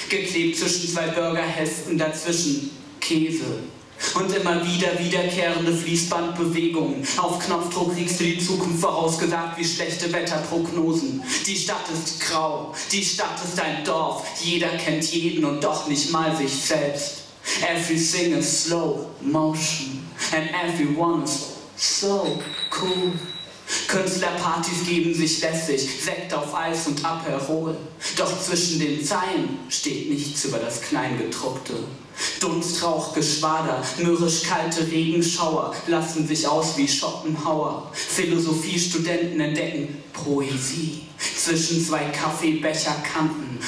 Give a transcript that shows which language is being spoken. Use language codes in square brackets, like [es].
[de] Geklebt zwischen zwei Burgerhälften, dazwischen Käse. Und immer wieder wiederkehrende Fließbandbewegungen. Auf Knopfdruck kriegst du die Zukunft vorausgesagt wie schlechte Wetterprognosen. Die Stadt ist grau, die Stadt ist ein Dorf. Jeder kennt jeden und doch nicht mal sich selbst. [en] Everything is slow motion and everyone is so cool. [de] Künstlerpartys geben sich lässig, Sekt auf Eis und Aperol. Doch zwischen den Zeilen steht nichts über das Kleingedruckte. Dunstrauchgeschwader, mürrisch kalte Regenschauer lassen sich aus wie Schopenhauer. Philosophiestudenten entdecken Poesie zwischen zwei Kaffeebecherkanten.